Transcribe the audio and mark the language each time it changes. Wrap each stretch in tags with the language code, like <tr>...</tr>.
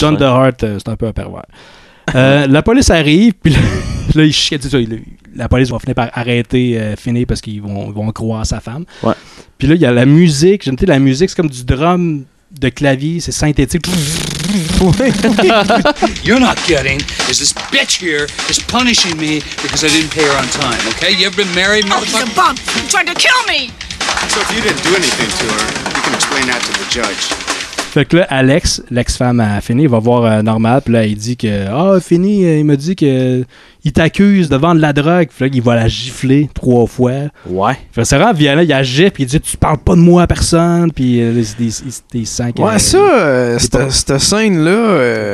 <fr>seins. John DeHart, c'est un peu un pervers. la police arrive, puis là, il chie. La police va finir par arrêter Finney parce qu'ils vont croire sa femme. Ouais. Puis là, il y a la musique. J'aime la musique, c'est comme du drum de clavier, c'est synthétique.</fr> <en>You're not getting is this bitch here is punishing me because I didn't pay her on time, okay? You ever been married, motherfucker? Oh, he's a bump. He tried to kill me. So if you didn't do anything to her, you can explain that to the judge.</en> <fr>Fait que là, Alex, l'ex-femme à Finny, va voir Normal, puis là, il dit que « Ah, Finny, il m'a dit que il t'accuse de vendre de la drogue. » Fait qu'il va la gifler 3 fois. Ouais. Fait que c'est vraiment violent, il agit, puis il dit « Tu parles pas de moi à personne. » Puis il sent ouais, ça, cette scène-là...</fr>